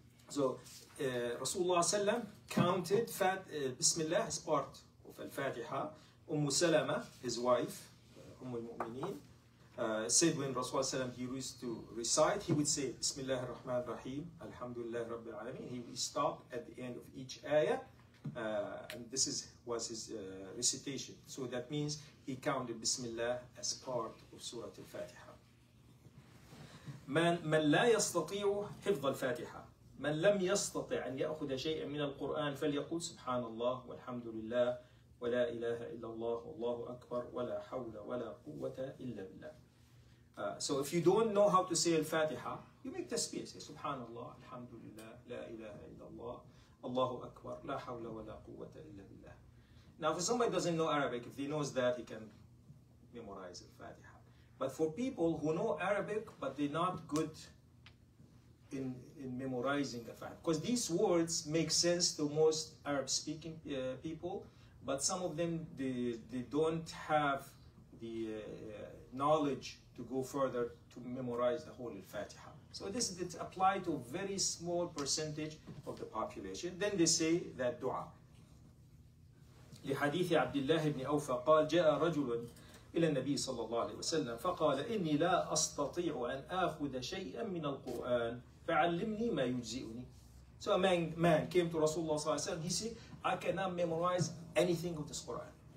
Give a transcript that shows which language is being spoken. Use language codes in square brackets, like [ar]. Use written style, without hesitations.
[en] So رسول الله صلى الله عليه وسلم counted بسم الله as part of الفاتحة. أم سلمة his wife أم المؤمنين said when رسول الله صلى الله عليه وسلم he used to recite he would say [ar] بسم الله الرحمن الرحيم الحمد لله رب العالمين. [en] He would stop at the end of each ayah and this is was his recitation. So that means he counted بسم الله as part of سورة الفاتحة. [ar] من لا يستطيع حفظ الفاتحة، من لم يستطع أن يأخذ شيئا من القرآن فليقول سبحان الله والحمد لله ولا إله إلا الله والله أكبر ولا حول ولا قوة إلا بالله. [en] So if you don't know how to say الفاتحة, you make تسبيح. Say [ar] سبحان الله الحمد لله لا إله إلا الله الله أكبر لا حول ولا قوة إلا بالله. [en] Now for somebody who doesn't know Arabic, if he knows that, he can memorize الفاتحة. But for people who know Arabic but they're not good in memorizing the fact, because these words make sense to most Arab speaking people, but some of them they don't have the knowledge to go further to memorize the whole Al-Fatiha. So this is applied to a very small percentage of the population. Then they say that dua. [ar] لحديث عبد الله بن أوفى قال جاء رجل إلى النبي صلى الله عليه وسلم فقال إني لا أستطيع أن آخذ شيئا من القرآن فعلمني ما يجزئني. [en] So a man came to Rasulullah صلى الله عليه وسلم. He said, I cannot memorize anything of this Quran.